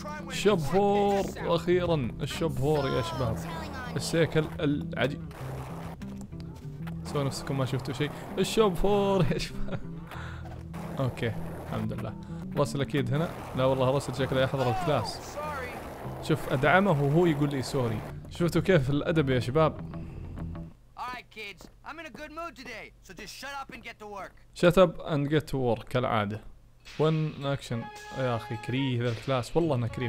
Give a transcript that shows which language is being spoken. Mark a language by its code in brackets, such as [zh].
[ar] شبهور، اخيرا الشبهور يا شباب. السيكل العجيب، سووا نفسكم ما شفتوا شيء. الشبهور يا شباب. اوكي الحمد لله. راسل اكيد هنا. لا والله راسل شكله يحضر الكلاس. شوف ادعمه وهو يقول لي سوري. شفتوا كيف الادب يا شباب؟ [en] I'm in a good mood today, so just shut up and get to work. Shut up and get to work [ar] كالعادة. [en] One action. [ar] يا أخي كريه ذا الكلاس، والله أنا كريه.